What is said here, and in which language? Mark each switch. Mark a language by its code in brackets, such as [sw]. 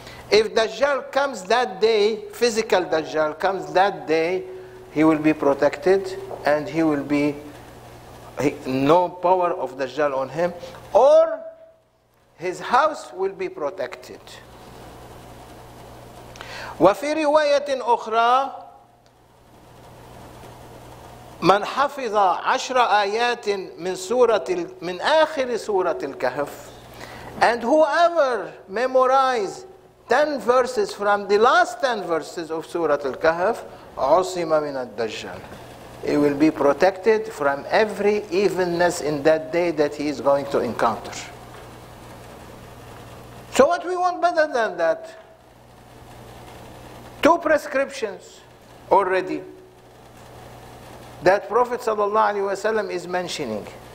[en] If Dajjal comes that day, physical Dajjal comes that day, he will be protected and he will be no power of Dajjal on him, or his house will be protected. [ar] وفي رواية أخرى من حفظ عشر آيات من سورة من آخر سورة الكهف, [en] and whoever memorized 10 verses from the last 10 verses of Surah Al-Kahf, [ar] عصم من الدجال. [en] He will be protected from every evilness in that day that he is going to encounter. So what we want better than that? Two prescriptions already that Prophet sallallahu alaihi wasallam is mentioning.